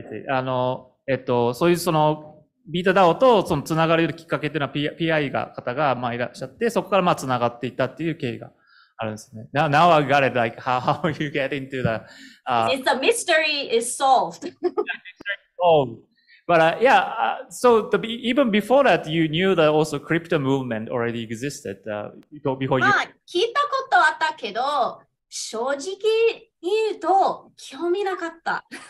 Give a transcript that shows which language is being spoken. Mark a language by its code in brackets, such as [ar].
[ja] あの、そういうその、ビータダオとその繋がれるきっかけっていうのは PI が、方が、まあ、いらっしゃって、そこからまあ、繋がっていったっていう経緯があるんですね。 [en] Now I got it, like, how you get into the, It's the mystery is solved. But, yeah, so the, even before that, you knew that also crypto movement already existed, before you. [ja] まあ、聞いたことあったけど、正直に言うと、興味なかった。